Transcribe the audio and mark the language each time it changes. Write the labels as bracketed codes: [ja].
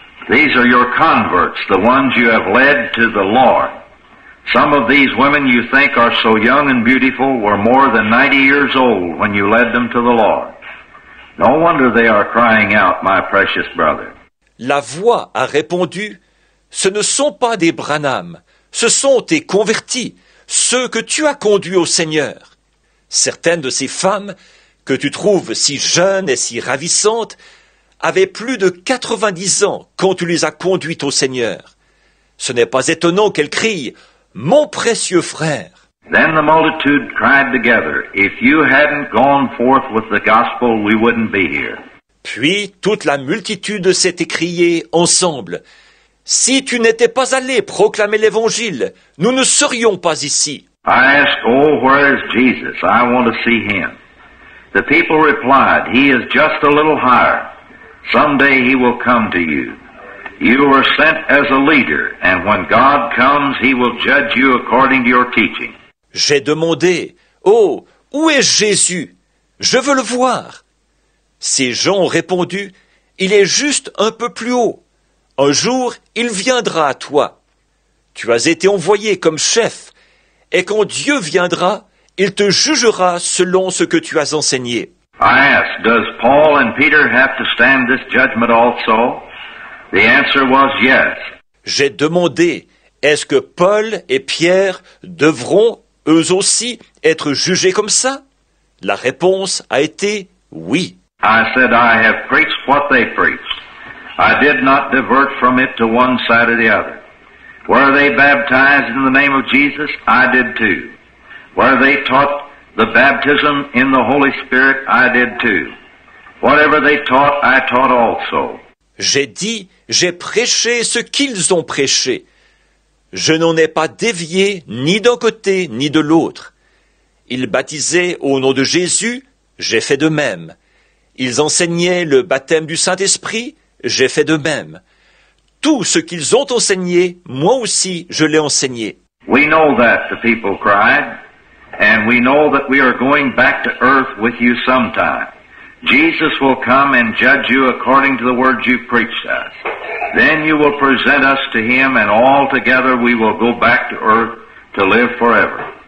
[en] These are your converts, the ones you have led to the Lord. Some of these women you think are so young and beautiful were more than 90 years old when you led them to the Lord. No wonder they are crying out, my precious brother. [fr] La voix a répondu, ce ne sont pas des Branham, ce sont tes convertis, ceux que tu as conduits au Seigneur. Certaines de ces femmes, que tu trouves si jeunes et si ravissantes, avaient plus de 90 ans quand tu les as conduites au Seigneur. Ce n'est pas étonnant qu'elles crient, mon précieux frère. [en] Then the multitude cried together, if you hadn't gone forth with the gospel, we wouldn't be here. [fr] Puis toute la multitude s'est écriée ensemble, si tu n'étais pas allé proclamer l'évangile, nous ne serions pas ici. [en] I asked, oh, where is Jesus? I want to see him. The people replied, he is just a little higher. Someday he will come to you. You were sent as a leader, and when God comes, he will judge you according to your teaching. [fr] J'ai demandé, oh, où est Jésus? Je veux le voir. Ces gens ont répondu, il est juste un peu plus haut. Un jour, il viendra à toi. Tu as été envoyé comme chef, et quand Dieu viendra, il te jugera selon ce que tu as enseigné. [en] I asked, does Paul and Peter have to stand this judgment also? The answer was yes. [fr] J'ai demandé, Est-ce que Paul et Pierre devront eux aussi être jugés comme ça? La réponse a été oui. [en] I said I have preached what they preached. I did not divert from it to one side or the other. Were they baptized in the name of Jesus? I did too. Were they taught the baptism in the Holy Spirit? I did too. Whatever they taught, I taught also. [fr] J'ai dit, j'ai prêché ce qu'ils ont prêché. Je n'en ai pas dévié ni d'un côté ni de l'autre. Ils baptisaient au nom de Jésus, j'ai fait de même. Ils enseignaient le baptême du Saint-Esprit, j'ai fait de même. Tout ce qu'ils ont enseigné, moi aussi, je l'ai enseigné. [en] We know that, the people cried, and we know that we are going back to earth with you sometime. Jesus will come and judge you according to the words you preached us. Then you will present us to him, and all together we will go back to earth to live forever.